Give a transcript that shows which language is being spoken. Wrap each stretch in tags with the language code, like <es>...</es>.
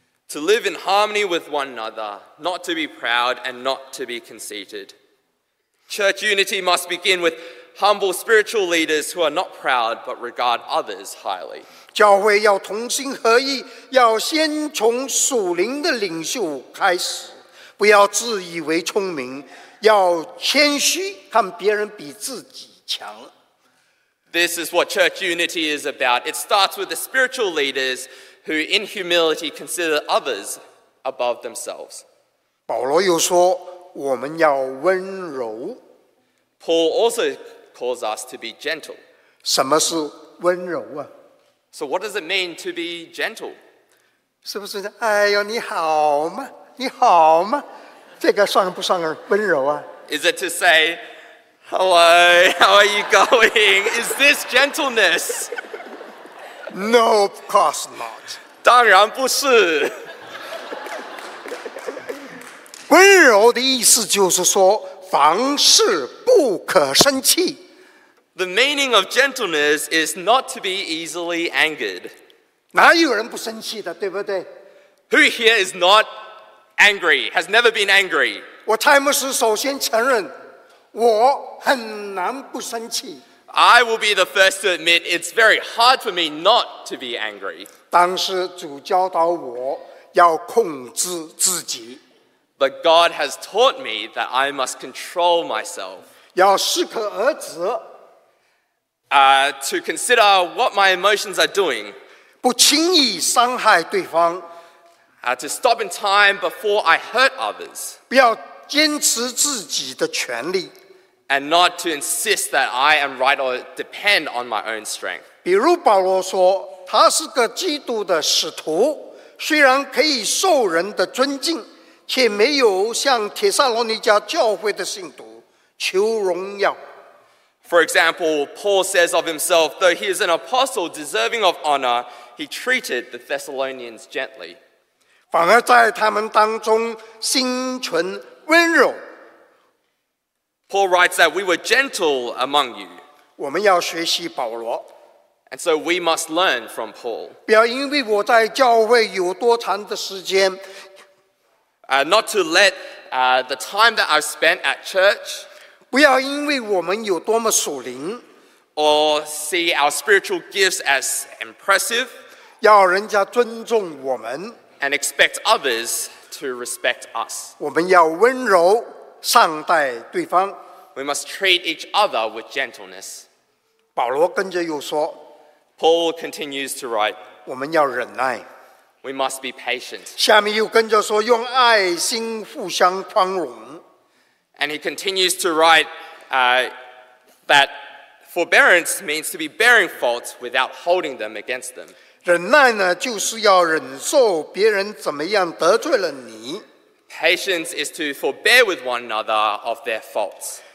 <en>To live in harmony with one another, not to be proud and not to be conceited. Church unity must begin with humble spiritual leaders who are not proud but regard others highly.</en> <zh>教会要同心合意，要先从属灵的领袖开始，不要自以为聪明，要谦虚，看别人比自己强。</zh> <en>This is what church unity is about. It starts with the spiritual leaders who in humility consider others above themselves.</en> <zh>保罗又说我们要温柔。</zh> <en>Paul also calls us to be gentle.</en> <zh>什么是温柔啊？</zh> <en>So what does it mean to be gentle?</en> <zh>是不是哎呦你好吗？你好吗？这个算不算温柔啊？</zh> <en>Is it to say... Hello, how are you going? Is this gentleness? No, of course not.</en> <zh>当然不是。温柔的意思就是说，凡事不可生气。</zh> <en>The meaning of gentleness is not to be easily angered.</en> <zh>哪有人不生气的，对不对？</zh> <en>Who here is not angry, has never been angry?</en> <zh>我蔡牧师首先承认我很难不生气。</zh> <en>I will be the first to admit it's very hard for me not to be angry.</en> <zh>当时主教导我要控制自己。</zh> <en>But God has taught me that I must control myself.</en> <zh>要适可而止。</zh> <en>To consider what my emotions are doing.</en> <zh>不轻易伤害对方。</zh> <en>To stop in time before I hurt others.</en> <zh>不要坚持自己的权利。</zh> <en>And not to insist that I am right or depend on my own strength.</en> <zh>比如保罗说，他是个基督的使徒，虽然可以受人的尊敬，却没有向帖撒罗尼迦教会的信徒求荣耀。</zh> <en>For example, Paul says of himself, though he is an apostle deserving of honor, he treated the Thessalonians gently.</en> <zh>反而在他们当中心存温柔。</zh> <en>Paul writes that we were gentle among you.</en> <zh>我们要学习保罗。</zh> <en>And so we must learn from Paul.</en> <zh>不要因为我在教会有多长的时间。</zh> <en>Not to let the time that I've spent at church.</en> <zh>不要因为我们有多么属灵。</zh> <en>Or see our spiritual gifts as impressive.</en> <zh>要人家尊重我们。</zh> <en>And expect others to respect us.</en> <zh>我们要温柔。善待对方。</zh> <en>We must treat each other with gentleness.</en> <zh>保罗跟着又说，</zh> <en>Paul continues to write,</en> <zh>我们要忍耐。</zh> <en>We must be patient.</en> <zh>下面又跟着说，用爱心互相宽容。</zh> <en>And he continues to write, that forbearance means to be bearing faults without holding them against them.</en> <zh>忍耐呢，就是要忍受别人怎么样得罪了你。</zh> <en>Patience is to forbear with one another of their faults.</en>